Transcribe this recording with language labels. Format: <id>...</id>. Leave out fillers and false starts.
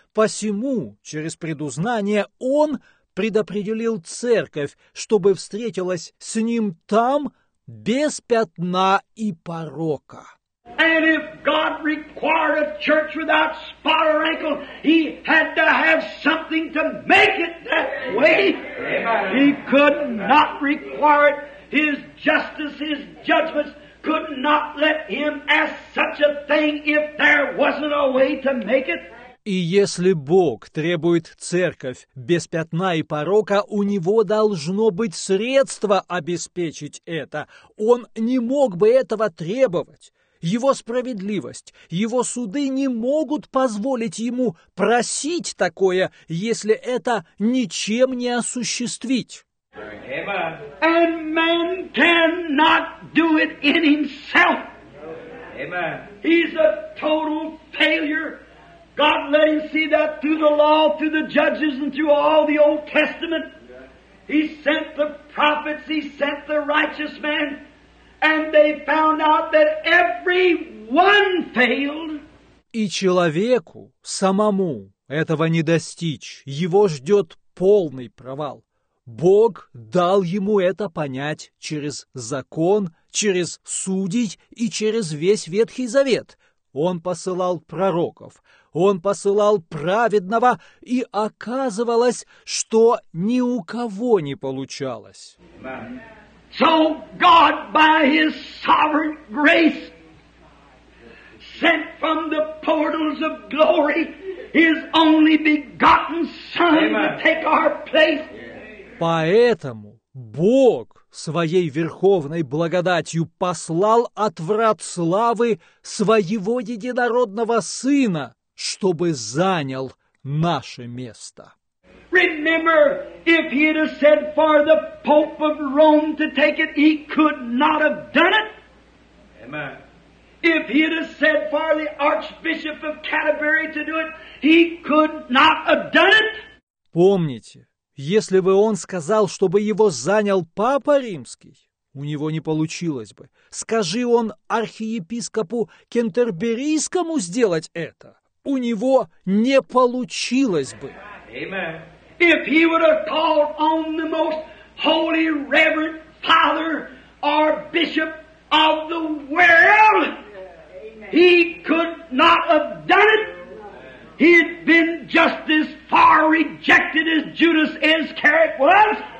<ru>Посему, через предузнание, он предопределил церковь, чтобы встретилась с ним там без пятна и порока.</ru> <en>And if God required a church without spot or wrinkle, he had to have something to make it that way. He could not require it. His justice, his judgments could not let him ask such a thing if there wasn't a way to make it.</en> <ru>И если Бог требует церковь без пятна и порока, у него должно быть средство обеспечить это. Он не мог бы этого требовать. Его справедливость, его суды не могут позволить ему просить такое, если это ничем не осуществить.</ru> <en>And man cannot do it in himself. Amen. He's a total failure. God let him see that through the law, through the judges, and through all the Old Testament. He sent the prophets, he sent the righteous men, and they found out that every one failed.</en> <ru>И человеку самому этого не достичь. Его ждет полный провал. Бог дал ему это понять через закон, через судей и через весь Ветхий Завет. Он посылал пророков, он посылал праведного, и оказывалось, что ни у кого не получалось.</ru> <en>So God, by His sovereign grace, sent from the portals of glory His only begotten Son to take our place.</en> <ru>Поэтому Бог своей верховной благодатью послал от врат славы своего единородного Сына, чтобы занял наше место.</ru> <en>Remember, if he had said for the Pope of Rome to take it, he could not have done it. Amen. If he had said for the Archbishop of Canterbury to do it, he could not have done it.</en> <ru>Помните, если бы он сказал, чтобы его занял Папа Римский, у него не получилось бы. Скажи он архиепископу Кентерберийскому сделать это, у него не получилось бы.</ru> <en>If he would have called on the most holy reverend father or bishop of the world, he could not have done it. He had been just as far rejected as Judas Iscariot was.</en>